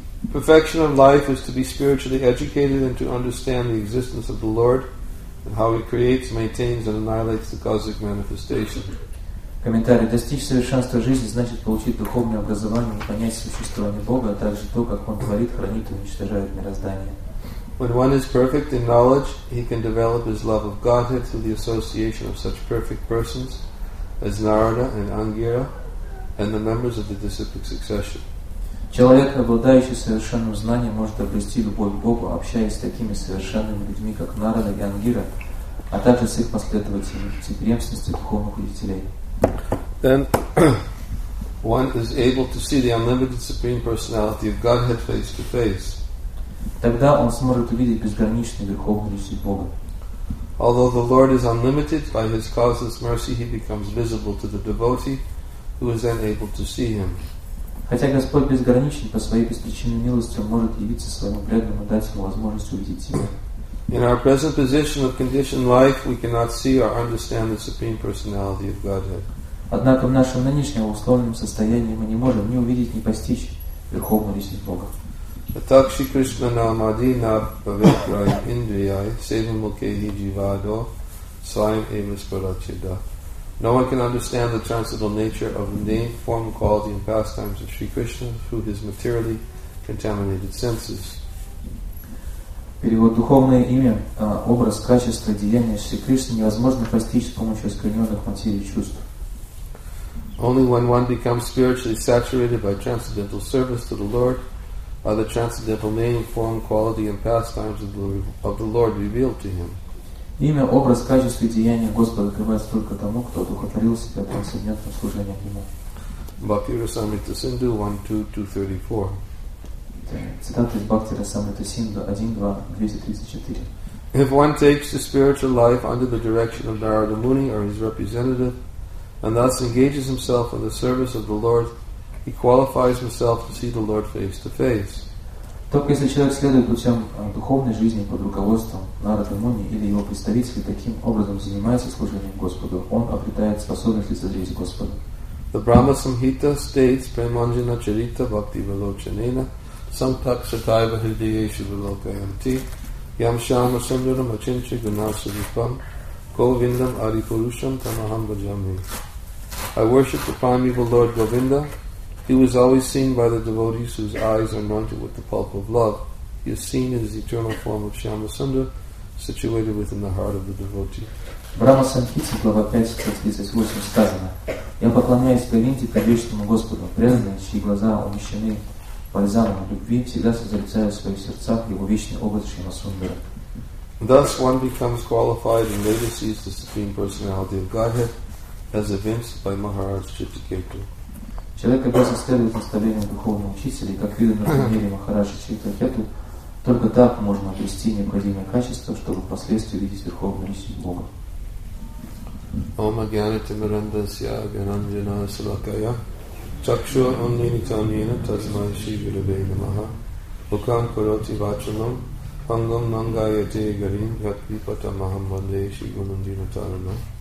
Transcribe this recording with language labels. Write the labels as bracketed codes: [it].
[en] Perfection of life is to be spiritually educated and to understand the existence of the Lord and how He creates, maintains, and annihilates the cosmic manifestation. [ru] Комментарий: достичь совершенства жизни значит получить духовное образование и понять существование Бога, а также то, как Он творит, хранит и уничтожает мироздание. [en] When one is perfect in knowledge, he can develop his love of Godhead through the association of such perfect persons as Narada and Angira and the members of the disciplic succession. [ru] Человек, обладающий совершенным знанием, может обрести любовь к Богу, общаясь с такими совершенными людьми, как Нарада и Ангира, а также с их последователями, преемственностью духовных учителей. [en] Then one is able to see the unlimited supreme personality of Godhead face to face. [ru] Тогда он сможет увидеть безграничную верховную личность Бога. [en] Although the Lord is unlimited, by His causeless mercy He becomes visible to the devotee, who is then able to see Him. [ru] Хотя Господь безграничен, по своей беспричинной милости Он может явиться своему преданному, дать ему возможность увидеть себя. [en] In our present position of conditioned life, we cannot see or understand the Supreme Personality of Godhead. [ru] Однако в нашем нынешнем условленном состоянии мы не можем ни увидеть, ни постичь Верховную Личность Бога. [sa] Так Шри Кришна намади наб павитрай индрияй севам мукхи дживадо свайм эмис парачеда. [en] No one can understand the transcendental nature of the name, form, quality, and pastimes of Sri Krishna through his materially contaminated senses. [ru] Перевод: духовное имя, образ, качество, деяния Шри Кришны невозможно постичь с помощью искаженных материи чувств. [en] Only when one becomes spiritually saturated by transcendental service to the Lord are the transcendental name, form, quality, and pastimes of the Lord revealed to him. [ru] Имя, образ, качество и деяния Господа открывается только тому, кто одухотворил себя трансцендентным служением Ему. Бхакти Расамрита Синду 1.2.2.34. Цитата из Бхакти Расамрита Синду 1.2.234. [en] If one takes the spiritual life under the direction of Narada Muni or his representative, and thus engages himself in the service of the Lord, he qualifies himself to see the Lord face to face. [ru] Только если человек следует путем духовной жизни под руководством Нарада Муни или его представителей, таким образом занимается служением Господу, он обретает способность лицезреть Господа. [en] The Brahma Samhita states [sa] Premanjana Charita Bhakti Valochanena Samtak Sataiva Hridayeshu Vilokayanti Yam Shama Sundaram Achinchi Gunasa Vipam Govindam Adipurusham Tamaham Bhajami. [en] I worship the primeval Lord Govinda. He was always seen by the devotees whose eyes are anointed with the pulp of love. He is seen in his eternal form of Shyama Sundar, situated within the heart of the devotee. [ru] Брахма Санхита, глава 5.38, сказано: «Я поклоняюсь Говинде, предвечному Господу, преданные, чьи глаза умещены бальзамом любви, всегда созерцая в своих сердцах его вечный образ Шьяма Сундара». [en] Thus one becomes qualified and later sees the Supreme Personality of Godhead as evinced by Maharaj Chittaketu. [ru] Человек обязан следовать наставлениям духовного учителя, и, как видно на примере Махараджа Чхитракету, только так можно обрести необходимое качество, чтобы впоследствии видеть Верховную Личность Бога. [sa] Ом агьяните мирандасья агьянанджана салакая чакшва уннитамьена тасмай шивиравей намаха укам куроти вачанам пангам нангайате гарим ятвипата махамбанде шигунандина тарана